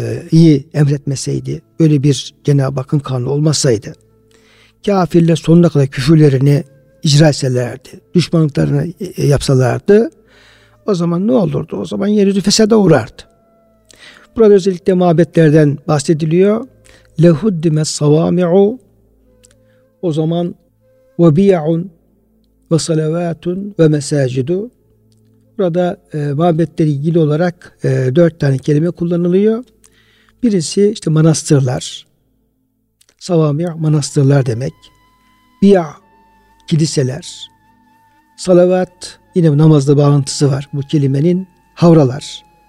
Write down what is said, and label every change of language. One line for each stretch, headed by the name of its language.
Turkish: iyi emretmeseydi, öyle bir Cenab-ı Hakk'ın kanunu olmasaydı, kafirler sonuna kadar küfürlerini icra etselerdi, düşmanlıklarını yapsalardı, o zaman ne olurdu? O zaman yeryüzü fesada uğrardı. Burada özellikle mabetlerden bahsediliyor.
Arabic: لَهُدِّمَ السَّوَامِعُ,
Turkish: o zaman
Arabic: وَبِيَعُنْ وَسَلَوَاتٌ وَمَسَاجِدُ.
Turkish: Burada mabetle ilgili olarak dört tane kelime kullanılıyor. Birisi işte manastırlar. Savami'a manastırlar demek. Bi'a kiliseler. Salavat, yine namazla bağlantısı var bu kelimenin, havralar.